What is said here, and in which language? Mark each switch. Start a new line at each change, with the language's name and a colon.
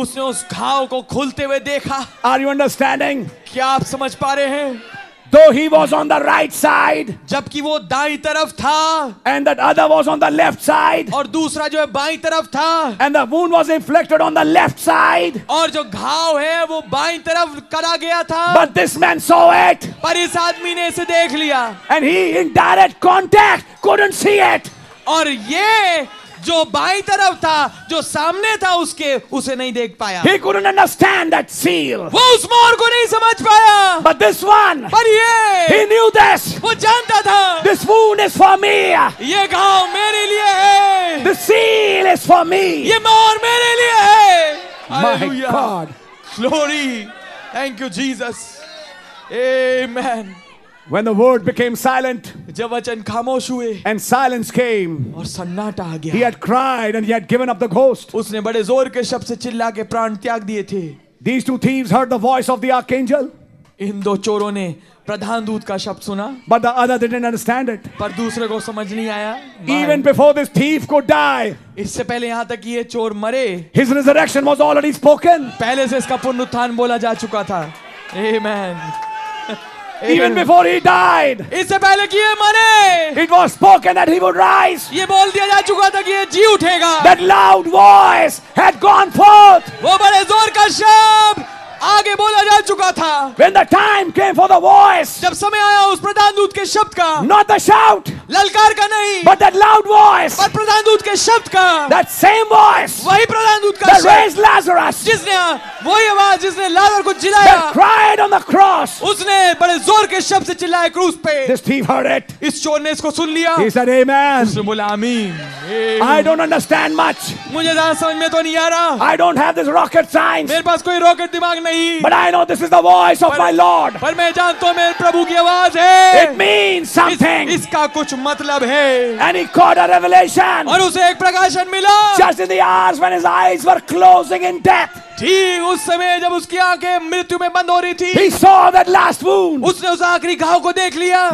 Hindi: उसने उस घाव को खुलते हुए देखा.
English: Are you understanding?
Hindi: क्या आप समझ पा रहे हैं?
English: Though he was on the right side,
Hindi: जबकि वो दाईं तरफ था,
English: and that other was on the left side,
Hindi: और दूसरा जो है बाईं तरफ था,
English: and the wound was inflicted on the left side,
Hindi: और जो घाव है वो बाईं तरफ करा गया था,
English: but this man saw it,
Hindi: पर इस आदमी ने इसे देख लिया,
English: and he in direct contact couldn't see it,
Hindi: और ये जो बाईं तरफ था, जो सामने था उसके, उसे नहीं देख पाया.
English: He couldn't understand that seal.
Hindi: वो उस मोहर को नहीं समझ पाया.
English: But this one,
Hindi: पर ये,
English: he knew this.
Hindi: वो जानता था.
English: This wound is for me.
Hindi: ये घाव मेरे लिए है.
English: The seal is for me.
Hindi: ये मोहर मेरे लिए है.
English: My God, glory, thank you, Jesus, Amen. When the word became silent,
Hindi: जब वचन खामोश हुए,
English: and silence came,
Hindi: और सन्नाटा आ गया,
English: he had cried and he had given up the ghost.
Hindi: उसने बड़े जोर के शब्द से चिल्ला के प्राण त्याग दिए थे.
English: These two thieves heard the voice of the archangel.
Hindi: इन दो चोरों ने प्रधान दूत का शब्द सुना.
English: But the other didn't understand it.
Hindi: पर दूसरे को समझ नहीं आया.
English: Even before this thief could die,
Hindi: इससे पहले यहाँ तक ये चोर मरे,
English: his resurrection was already spoken.
Hindi: पहले से इसका पुनरुत्थान बोला जा चुका था.
English: Amen. Even before he died,
Hindi: इससे पहले कि ये मरे,
English: it was spoken that he would rise.
Hindi: ये बोल दिया जा चुका था कि ये जी उठेगा.
English: That loud voice had gone forth.
Hindi: वो बड़े जोर का शब्द आगे बोला जा चुका था.
English: When the time came for the voice,
Hindi: जब समय आया उस प्रधान दूत के शब्द का,
English: not the shout,
Hindi: ललकार का नहीं,
English: but that loud voice,
Hindi: पर प्रधान दूत के शब्द का,
English: that same voice,
Hindi: वही प्रधान दूत का शब्द,
English: that raised Lazarus,
Hindi: जिसने वही आवाज जिसने लाजर को चिल्लाया,
English: that cried on the cross,
Hindi: उसने बड़े जोर के शब्द से चिल्लाया क्रूस पे.
English: This thief heard it.
Hindi: इस चोर ने इसको सुन लिया.
English: He said, "Amen."
Hindi: उसने बोला, "आमीन."
English: I don't understand much.
Hindi: मुझे ज़्यादा समझ में तो नहीं आ रहा.
English: I don't have this rocket science.
Hindi: मेरे पास कोई रॉकेट दिमाग नहीं.
English: But I know this is the voice of my Lord.
Hindi: पर मैं जानता हूँ मेरे प्रभु की आवाज है.
English: It means something.
Hindi: इसका कुछ मतलब है.
English: And he caught a revelation.
Hindi: और उसे एक प्रकाशन मिला.
English: Just in the hours when his eyes were closing in death.
Hindi: ठीक उस समय जब उसकी आंखें मृत्यु में बंद हो रही थी,
English: he saw that last wound.
Hindi: उसने उस आखिरी घाव को देख लिया.